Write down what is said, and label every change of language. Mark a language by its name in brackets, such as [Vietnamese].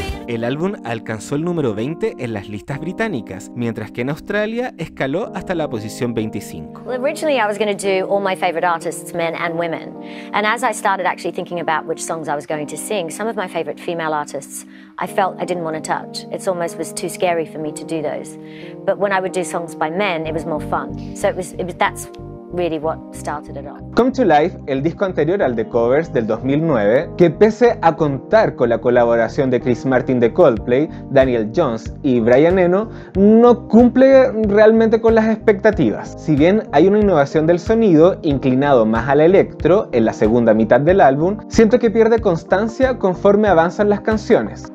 [Spanish] El álbum alcanzó el número 20 en las listas británicas, mientras que en Australia escaló hasta la posición 25. [English] Well, originally I was going to do all my favorite artists, men and women. And as I started actually thinking about which songs I was going to sing, some of my favorite female artists, I felt I didn't want to touch. It almost was too scary for me to do those. But when I would do songs by men, it was more fun. So it was that's really what started it off. [Spanish] Come to Life, el disco anterior al de Covers del 2009, que pese a contar con la colaboración de Chris Martin de Coldplay, Daniel Jones y Brian Eno, no cumple realmente con las expectativas. Si bien hay una innovación del sonido inclinado más al electro en la segunda mitad del álbum, siento que pierde constancia conforme avanzan las canciones.